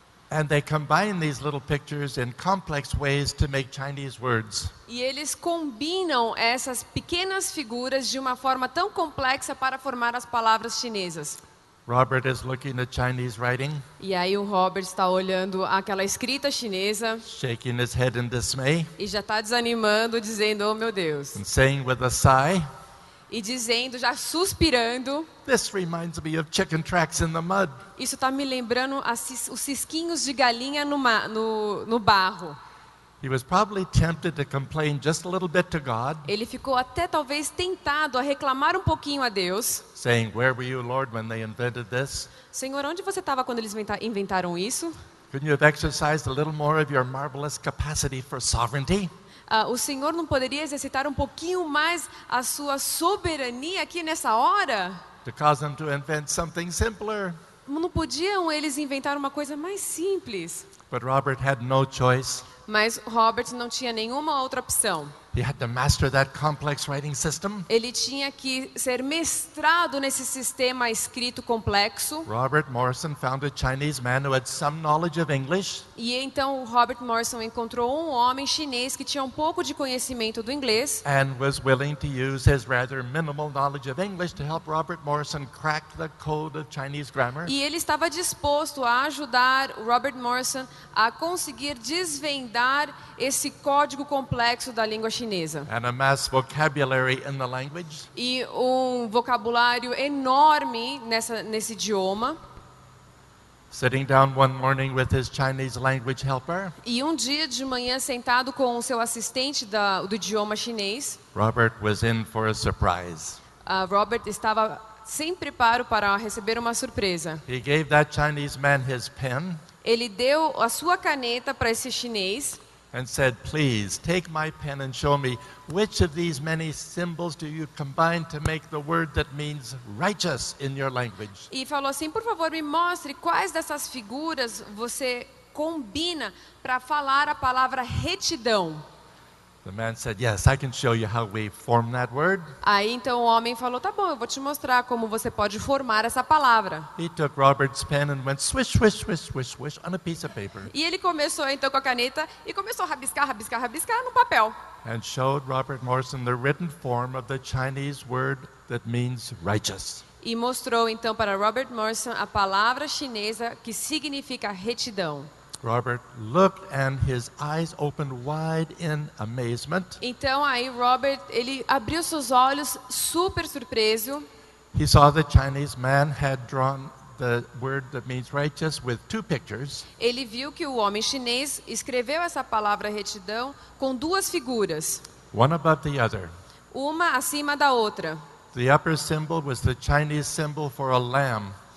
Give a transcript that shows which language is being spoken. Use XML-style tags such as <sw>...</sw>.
<en>And they combine these little pictures in complex ways to make Chinese words.</en> <pt>E eles combinam essas pequenas figuras de uma forma tão complexa para formar as palavras chinesas.</pt> <en>Robert is looking at Chinese writing.</en> <pt>E aí o Robert está olhando aquela escrita chinesa.</pt> <en>Shaking his head in dismay.</en> <pt>E já está desanimando, dizendo, oh meu Deus.</pt> <en>And saying with a sigh.</en> <pt>E dizendo, já suspirando.</pt> <en>This reminds me of chicken tracks in the mud.</en> <pt>Isso está me lembrando os cisquinhos de galinha no barro.</pt> <en>He was probably tempted to complain just a little bit to God.</en> <pt>Ele ficou até talvez tentado a reclamar um pouquinho a Deus.</pt> <en>Saying, where were you, Lord, when they invented this?</en> <pt>Senhor, onde você estava quando eles inventaram isso?</pt> <en>Couldn't you have exercised a little more of your marvelous capacity for sovereignty?</en> <pt>O Senhor não poderia exercitar um pouquinho mais a sua soberania aqui nessa hora?</pt> <en>To cause them to invent something simpler.</en> <pt>Não podiam eles inventar uma coisa mais simples?</pt> <en>But Robert had no choice.</en> <pt>Mas Robert não tinha nenhuma outra opção.</pt> <en>He had to master that complex writing system.</en> <pt>Ele tinha que ser mestrado nesse sistema escrito complexo.</pt> <en>Robert Morrison found a Chinese man who had some knowledge of English.</en> <pt>E então Robert Morrison encontrou um homem chinês que tinha um pouco de conhecimento do inglês.</pt> <en>And was willing to use his rather minimal knowledge of English to help Robert Morrison crack the code of Chinese grammar.</en> <pt>E ele estava disposto a ajudar Robert Morrison a conseguir desvendar esse código complexo da língua chinesa.</pt> <en>And a mass vocabulary in the language.</en> <pt>E um vocabulário enorme nesse idioma.</pt> <en>Sitting down one morning with his Chinese language helper.</en> <pt>E um dia de manhã sentado com o seu assistente do idioma chinês.</pt> <en>Robert was in for a surprise.</en> <pt>Robert estava sem preparo para receber uma surpresa.</pt> <en>He gave that Chinese man his pen.</en> <pt>Ele deu a sua caneta para esse chinês.</pt> <en>And said, please, take my pen and show me which of these many symbols do you combine to make the word that means righteous in your language.</en> <pt>E falou assim, por favor, me mostre quais dessas figuras você combina para falar a palavra retidão.</pt> <en>The man said, yes, I can show you how we form that word.</en> <pt>Aí então o homem falou, tá bom, eu vou te mostrar como você pode formar essa palavra.</pt> <en>He took Robert's pen and went swish, swish, swish, swish, swish on a piece of paper.</en> <pt>E ele começou então com a caneta e começou a rabiscar, rabiscar, rabiscar no papel.</pt> <en>And showed Robert Morrison the written form of the Chinese word that means righteous.</en> <pt>E mostrou então para Robert Morrison a palavra chinesa que significa retidão.</pt> <en>Robert looked and his eyes opened wide in amazement.</en> <pt>Então aí Robert, ele abriu seus olhos super surpreso.</pt> <en>He saw the Chinese man had drawn the word that means righteous with 2 pictures.</en> <pt>Ele viu que o homem chinês escreveu essa palavra retidão com 2 figuras.</pt> <en>One above the other.</en> <pt>Uma acima da outra.</pt> <en>The upper symbol was the Chinese symbol for a lamb.</en>